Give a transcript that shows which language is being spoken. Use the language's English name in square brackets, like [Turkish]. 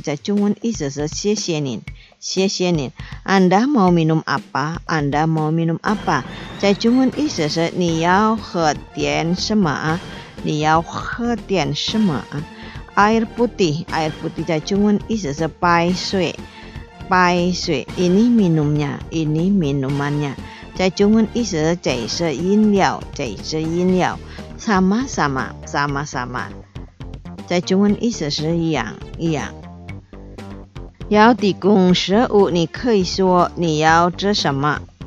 [Chinese] 在中文意思是谢谢您，谢谢您。 [Indonesian] Anda mau minum apa? Anda mau minum apa? [Chinese] 在中文意思是你要喝点什么啊？你要喝点什么啊？ [Indonesian] Air putih, air putih. [Chinese] 在中文意思是白水，白水。 [Indonesian] Ini minumnya, ini minumannya. [Chinese] 在中文意思是这是饮料，这是饮料。 [Indonesian] sama sama sama sama， [Chinese] 在中文意思是一样一样。要提供食物，你可以说你要吃什么。